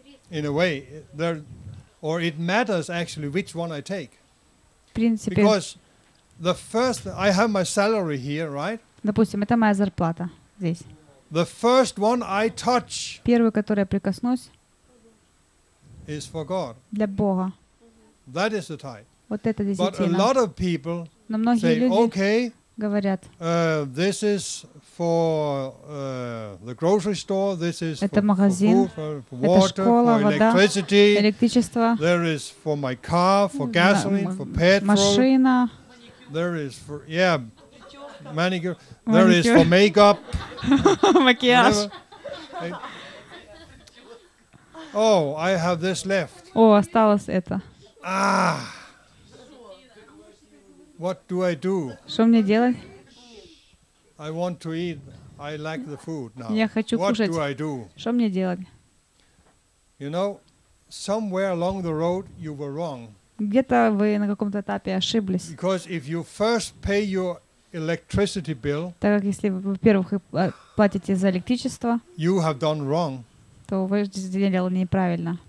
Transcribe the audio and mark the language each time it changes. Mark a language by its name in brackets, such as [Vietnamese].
[English] In a way, there, or it matters actually which one I take. Principle. Because the first, I have my salary here, right? [Russian] Допустим, это моя зарплата здесь. [English] The first one I touch. [Russian] Первый, который я прикоснусь. [English] Is for God. [Russian] Для Бога. [English] That is the tithe. [Russian] Вот это десятина. [English] But a lot of people say, okay, [Russian] говорят, [English] this is for the grocery store. This is [Russian] это магазин, [English] for food, for water, [Russian] школа, [English] for electricity. [Russian] Вода, электричество. [English] There is for my car, for gasoline, for petrol. [Russian] Машина. [English] There is for yeah. Manicure. There is for makeup. [Russian] Макияж. [English] Oh, I have this left. [Russian] О, осталось это. Ah. [English] What do I do? [Russian] Что мне делать? [English] I want to eat. I lack the food now. [Russian] Я хочу кушать. [English] What do I do? [Russian] Что мне делать? [English] You know, somewhere along the road you were wrong. [Russian] Где-то вы на каком-то этапе ошиблись. [English] Because if you first pay your electricity bill. [Russian] Так как если вы, во-первых, платите за электричество, [English] you have done wrong. [Russian] То вы сделали неправильно.